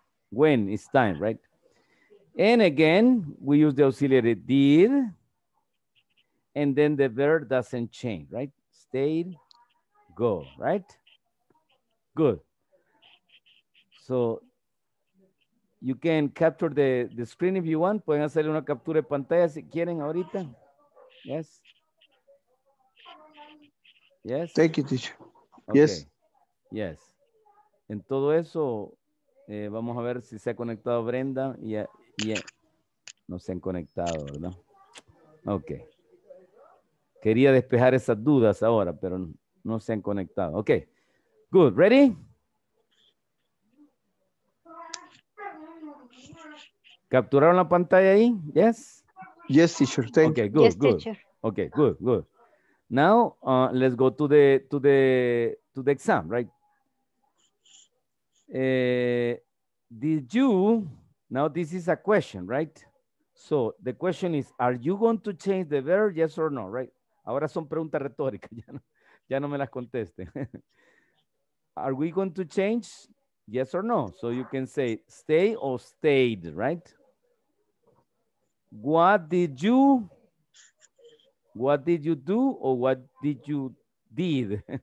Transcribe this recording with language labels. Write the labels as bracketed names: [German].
[English] When is time, right? And again, we use the auxiliary did. And then the verb doesn't change, right? Stayed, go, right? Good. So you can capture the screen if you want. [Spanish] Pueden hacerle una captura de pantalla si quieren ahorita. [English] Yes. Yes. Thank you, teacher. Okay. Yes. [Spanish] Yes. En todo eso, vamos a ver si se ha conectado Brenda. Yeah. No se han conectado, ¿verdad? Okay. Quería despejar esas dudas ahora, pero no se han conectado. [English] Okay. Good. Ready? [Spanish] ¿Capturaron la pantalla ahí? Yes? [English] Yes, teacher. Thank you. Okay, good, yes, good. Teacher. Okay, good, good. Now, let's go to the exam, right? Did you, now this is a question, right? So, the question is, are you going to change the verb, yes or no, right? [Spanish] Ahora son preguntas retóricas, ya no me las conteste. [English] Are we going to change, yes or no? So, you can say stay or stayed, right? What did you do or what did you did?